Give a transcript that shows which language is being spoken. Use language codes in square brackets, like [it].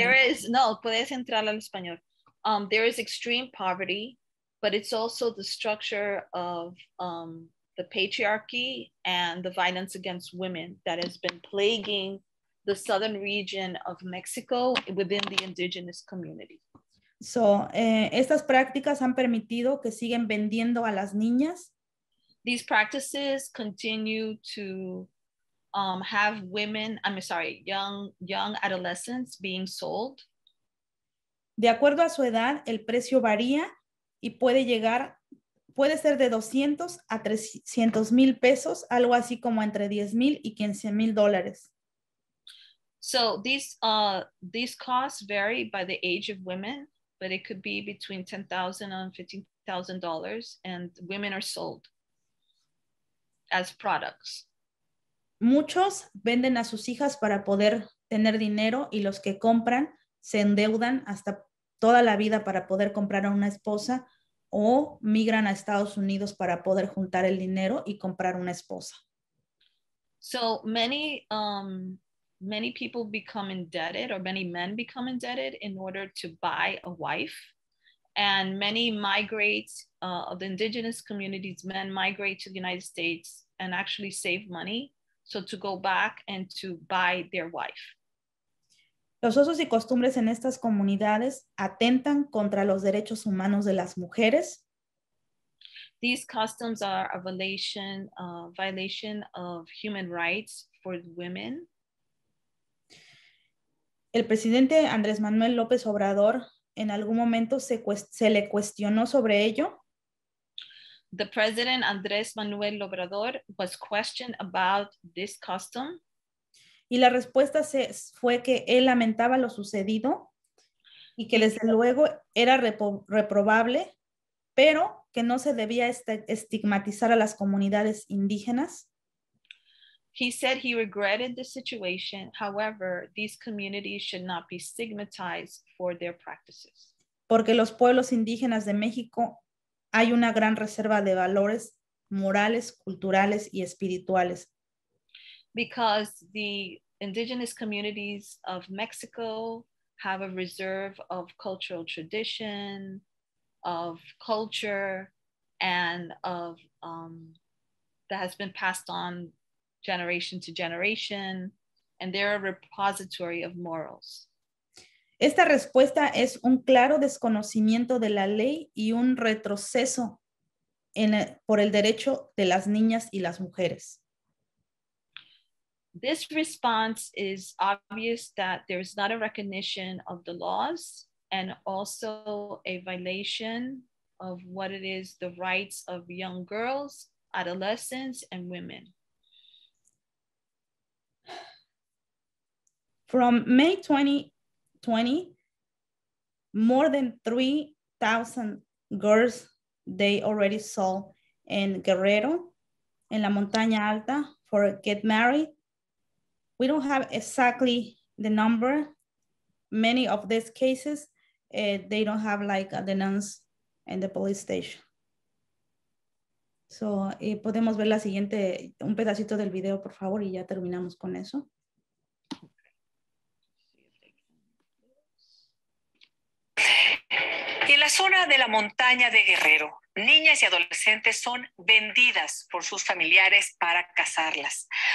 [es] Puedes entrar al español. [en] There is extreme poverty, but it's also the structure of the patriarchy and the violence against women that has been plaguing the southern region of Mexico within the indigenous community. [es] So, estas prácticas han permitido que siguen vendiendo a las niñas. [en] These practices continue to have women, I'm sorry, young adolescents being sold. [es] De acuerdo a su edad, el precio varía y puede ser de 200 a 300 mil pesos, algo así como entre 10 mil y 15 mil dólares. [en] So these costs vary by the age of women, but it could be between $10,000 and $15,000, and women are sold as products. [es] Muchos venden a sus hijas para poder tener dinero y los que compran se endeudan hasta toda la vida para poder comprar a una esposa o migran a Estados Unidos para poder juntar el dinero y comprar una esposa. [en] So many, many people become indebted or many men become indebted in order to buy a wife. And many migrates of the indigenous communities, men migrate to the United States and actually save money. So to go back and to buy their wife. [es] Los usos y costumbres en estas comunidades atentan contra los derechos humanos de las mujeres. [en] These customs are a violation of human rights for women. [es] El presidente Andrés Manuel López Obrador en algún momento se le cuestionó sobre ello. [en] The president Andrés Manuel Obrador was questioned about this custom. [es] Y la respuesta fue que él lamentaba lo sucedido y que desde luego era reprobable, pero que no se debía estigmatizar a las comunidades indígenas. [en] He said he regretted the situation. However, these communities should not be stigmatized for their practices. [es] Porque los pueblos indígenas de México hay una gran reserva de valores morales, culturales y espirituales. [en] Because the indigenous communities of Mexico have a reserve of cultural tradition, of culture, and of that has been passed on generation to generation, and they're a repository of morals. Esta respuesta es un claro desconocimiento de la ley y un retroceso por el derecho de las niñas y las mujeres. This response is obvious that there is not a recognition of the laws and also a violation of what it is the rights of young girls, adolescents, and women. From May 2020, more than 3,000 girls, they already saw in Guerrero, in La Montaña Alta, for get married. We don't have exactly the number. Many of these cases, they don't have like a denounce in the police station. [es] So, podemos ver la siguiente, un pedacito del video, por favor, y ya terminamos con eso. En la zona de la montaña de Guerrero, niñas y adolescentes son vendidas por sus familiares para casarlas.